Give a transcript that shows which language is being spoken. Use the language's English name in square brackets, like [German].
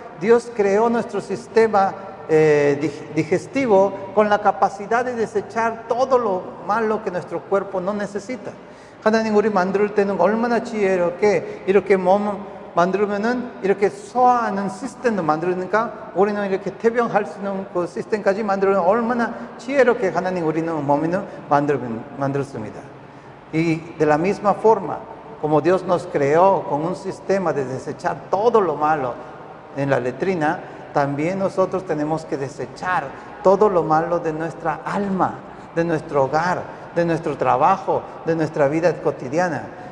[Spanish] Dios creó nuestro sistema digestivo con la capacidad de desechar todo lo malo que nuestro cuerpo no necesita. [Korean] 하나님 우리 만들 때는 얼마나 지혜롭게 이렇게 몸 만들면은 이렇게 소화하는 시스템도 만들으니까 우리는 이렇게 퇴병할 수 있는 그 시스템까지 만들면 얼마나 지혜롭게 하나님 우리는 몸을 만들었습니다. [Spanish] Y de la misma forma como Dios nos creó con un sistema de desechar todo lo malo en la letrina, también nosotros tenemos que desechar todo lo malo de nuestra alma, de nuestro hogar, de nuestro trabajo, de nuestra vida cotidiana.